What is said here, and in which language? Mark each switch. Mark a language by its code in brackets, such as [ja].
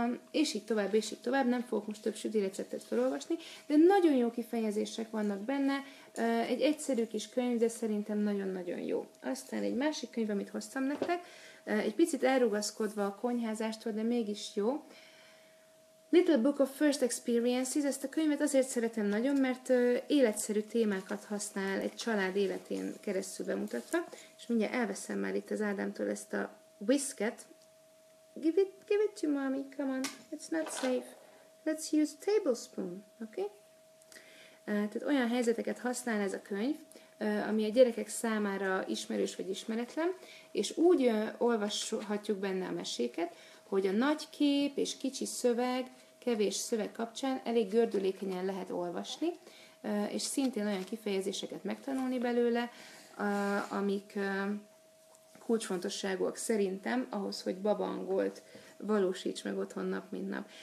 [hu] És így tovább, és így tovább. Nem fogok most több süti receptet felolvasni, de nagyon jó kifejezések vannak benne. Egy egyszerű kis könyv, de szerintem nagyon-nagyon jó. Aztán egy másik könyv, amit hoztam nektek. Egy picit elrugaszkodva a konyházástól, de mégis jó. [en] Little Book of First Experiences. [hu] Ezt a könyvet azért szeretem nagyon, mert életszerű témákat használ, egy család életén keresztül bemutatva. És mindjárt elveszem már itt az Ádámtól ezt a whisket. [en] Give it to mommy, come on, it's not safe. Let's use a tablespoon, okay? [hu] Tehát olyan helyzeteket használ ez a könyv, ami a gyerekek számára ismerős vagy ismeretlen, és úgy olvashatjuk benne a meséket, hogy a nagy kép és kicsi szöveg, kevés szöveg kapcsán elég gördülékenyen lehet olvasni, és szintén olyan kifejezéseket megtanulni belőle, amik kulcsfontosságúak szerintem ahhoz, hogy babaangolt valósíts meg otthon nap, mint nap.